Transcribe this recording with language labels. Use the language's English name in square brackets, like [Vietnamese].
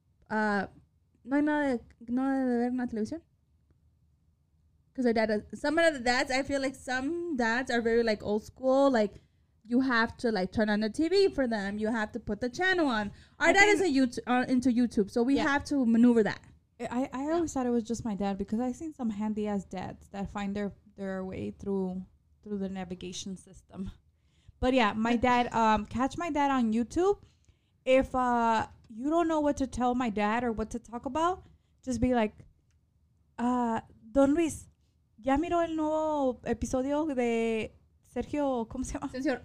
[Spanish] No hay nada de ver en la televisión. [English] Because some dads are very like old school. Like, you have to like turn on the TV for them. You have to put the channel on. Our dad is into YouTube, so we have to maneuver that. I always thought it was just my dad because I've seen some handy ass dads that find their way through the navigation system. But yeah, my dad. Catch my dad on YouTube. If you don't know what to tell my dad or what to talk about, just be like, Don Luis. [Spanish] ¿Ya miró el nuevo episodio de Sergio, cómo se llama?